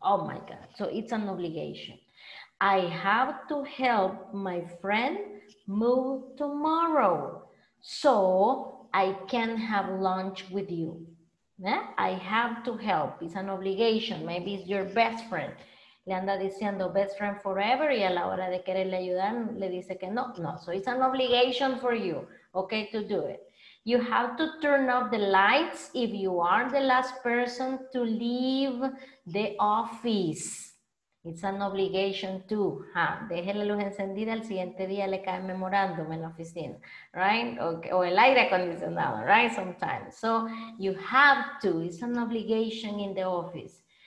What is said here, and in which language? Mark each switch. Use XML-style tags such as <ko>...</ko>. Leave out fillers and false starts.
<en>Oh my God. So it's an obligation. I have to help my friend move tomorrow. So I can have lunch with you. Yeah? I have to help. It's an obligation. Maybe it's your best friend.</en> <es>Le anda diciendo</es> <en>best friend forever</en> <es>y a la hora de quererle ayudar le dice que no, no.</es> <en>So it's an obligation for you, okay, to do it. You have to turn off the lights if you are the last person to leave the office. It's an obligation too, huh?</en> <es>Deje la luz encendida, el siguiente día le cae memorándum en la oficina, right? Okay. O el aire acondicionado, right, sometimes.</es> <en>So you have to, it's an obligation in the office.</en>